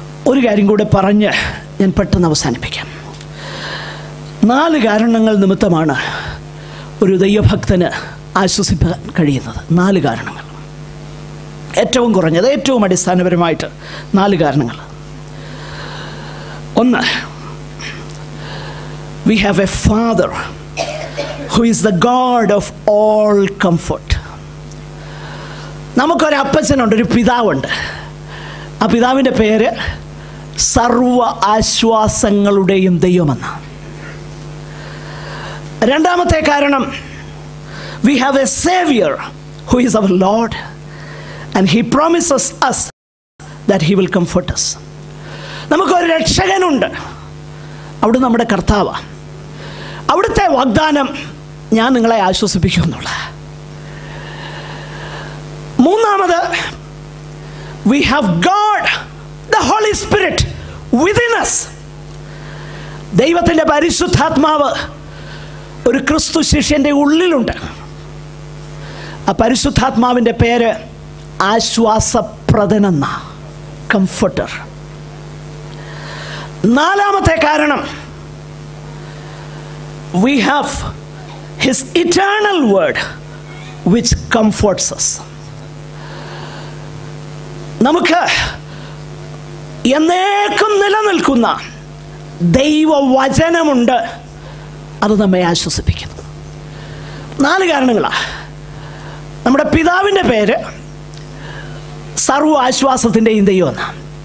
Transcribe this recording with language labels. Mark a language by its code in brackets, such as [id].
[ml] ഒരു കാര്യം കൂടെ പറഞ്ഞ് ഞാൻ പെട്ടെന്ന് അവസാനിപ്പിക്കാം. 4 കാരണങ്ങൾ നിമിത്തമാണ് ഒരു ദൈവഭക്തന് ആശ്വസിപ്പാൻ കഴിയുന്നത്. 4 കാരണങ്ങൾ, ഏറ്റവും കുറഞ്ഞത് ഏറ്റവും അടിസ്ഥാനപരമായിട്ട് 4 കാരണങ്ങൾ. [en] 1, we have a father who is the god of all comfort. [ml] നമുക്കൊരു അപ്പച്ചനുണ്ട്, ഒരു പിതാവുണ്ട്. ആ പിതാവിൻ്റെ പേര് സർവ ആശ്വാസങ്ങളുടെയും ദൈവമെന്ന. 2 കാരണം, [en] we have a savior who is our lord and he promises us that he will comfort us. [ml] നമുക്കൊരു രക്ഷകനുണ്ട്, അവിടെ നമ്മുടെ കർത്താവാണ്. അവിടുത്തെ വാഗ്ദാനം, ഞാൻ നിങ്ങളെ ആശ്വസിപ്പിക്കും എന്നുള്ള. [en] 3, we have God, the Holy Spirit, within us. [ml] ദൈവത്തിൻ്റെ പരിശുദ്ധാത്മാവ് ഒരു ക്രിസ്തു ശിഷ്യൻ്റെ ഉള്ളിലുണ്ട്. ആ പരിശുദ്ധാത്മാവിൻ്റെ പേര് ആശ്വാസപ്രദനെന്ന, കംഫർട്ടർ. 4 കാരണം, [en] we have his eternal word which comforts us. [ml] നമുക്ക് എന്നേക്കും നിലനിൽക്കുന്ന ദൈവവചനമുണ്ട്, അത് നമ്മെ ആശ്വസിപ്പിക്കുന്നു. നാല് കാരണങ്ങളാണ്. നമ്മുടെ പിതാവിൻ്റെ പേര് സർവ ആശ്വാസത്തിൻ്റെയും ദൈവമെന്നാണ്.